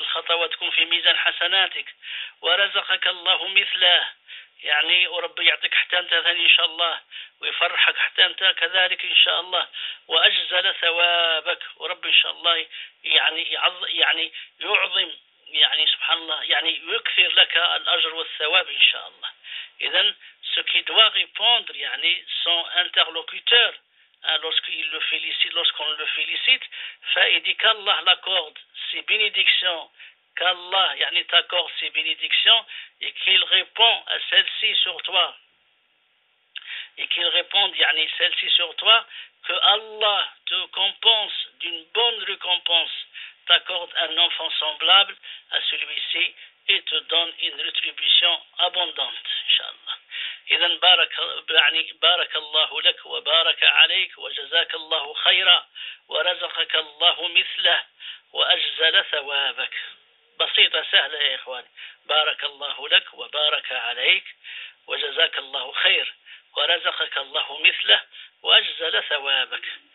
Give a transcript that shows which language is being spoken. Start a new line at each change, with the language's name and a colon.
Arabic: هذه الخطوات تكون في ميزان حسناتك. ورزقك الله مثله، يعني وربي يعطيك حتى أنت ثاني إن شاء الله، ويفرحك حتى أنت كذلك إن شاء الله. وأجزل ثوابك، وربي إن شاء الله يعني يعظم يعني سبحان الله يعني يكثر لك الأجر والثواب إن شاء الله.
French: إذن ce qui doit répondre, يعني son interlocuteur, lorsqu'il le félicite, lorsqu'on le félicite, il dit qu'Allah l'accorde ses bénédictions, qu'Allah يعني t'accorde ses bénédictions, et qu'il répond à celle-ci sur toi. Et qu'il réponde يعني celle-ci sur toi, que Allah te compense d'une bonne récompense, t'accorde un enfant semblable à celui-ci et te donne une rétribution abondante, inshallah.
Arabic: إذن بارك يعني بارك الله لك وبارك عليك وجزاك الله خيرا ورزقك الله مثله وأجزل ثوابك. بسيطة سهلة يا إخواني. بارك الله لك وبارك عليك وجزاك الله خير ورزقك الله مثله وأجزل ثوابك.